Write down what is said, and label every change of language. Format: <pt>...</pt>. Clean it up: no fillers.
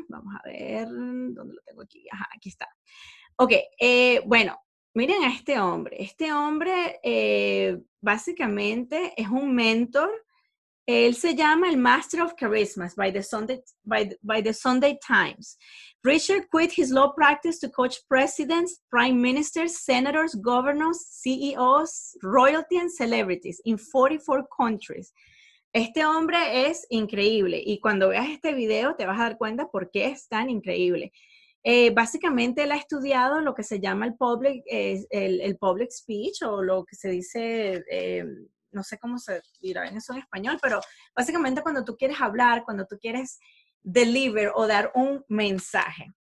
<es>Vamos a ver, ¿dónde lo tengo aquí? Ajá, aquí está. Ok, bueno, miren a este hombre. Este hombre básicamente es un mentor. Él se llama el Master of Charismas by the Sunday Times.</es> <en>Richard quit his law practice to coach presidents, prime ministers, senators, governors, CEOs, royalty and celebrities in 44 countries.</en> <es>Este hombre es increíble, y cuando veas este video te vas a dar cuenta por qué es tan increíble. Básicamente él ha estudiado lo que se llama el public speech, o lo que se dice, no sé cómo se dirá en eso en español, pero básicamente cuando tú quieres hablar, cuando tú quieres deliver o dar un mensaje.</es>